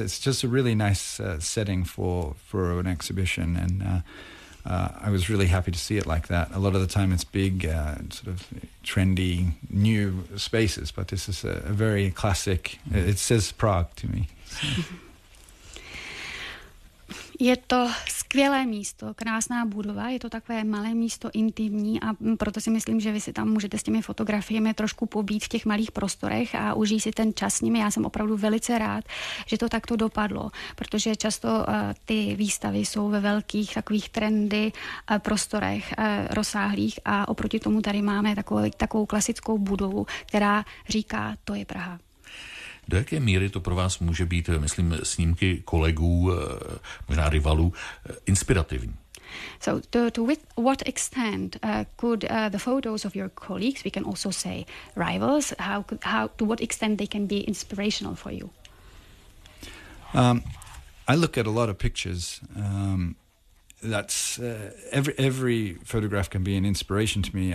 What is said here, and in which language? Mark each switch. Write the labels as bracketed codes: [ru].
[en] It's just a really nice setting for an exhibition. And I was really happy to see it like that. A lot of the time it's big, sort of trendy, new spaces, but this is a very classic, it says Prague to me. [cs] Je to skvělé místo, krásná budova, je to takové malé místo, intimní, a proto si myslím, že vy si tam můžete s těmi fotografiemi trošku pobít v těch malých prostorech a užij si ten čas s nimi. Já jsem opravdu velice rád, že to takto dopadlo, protože často ty výstavy jsou ve velkých takových trendy prostorech rozsáhlých a oproti tomu tady máme takovou klasickou budovu, která říká, to je Praha. Do jaké míry to pro vás může být, myslím, snímky kolegů, možná rivalů, inspirativní? [en] So to what extent could the photos of your colleagues, we can also say rivals, how to what extent they can be inspirational for you? I look at a lot of pictures. That's every photograph can be an inspiration to me.